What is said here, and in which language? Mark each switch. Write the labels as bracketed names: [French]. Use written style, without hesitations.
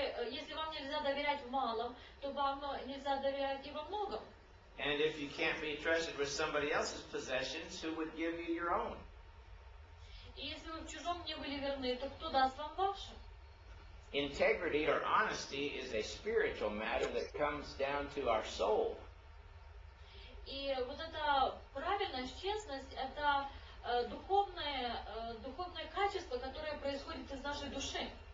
[Russian] Если вам нельзя доверять в малом, то вам нельзя доверять и во многом. [English] And if you can't be trusted with somebody else's possessions, who would give you your own? [Russian] И если вы в чужом не были верны, то кто даст вам ваше? [English] Integrity or honesty is a spiritual matter that comes down to our soul. [Russian] И вот эта правильность, честность, это духовное качество, которое происходит из нашей души.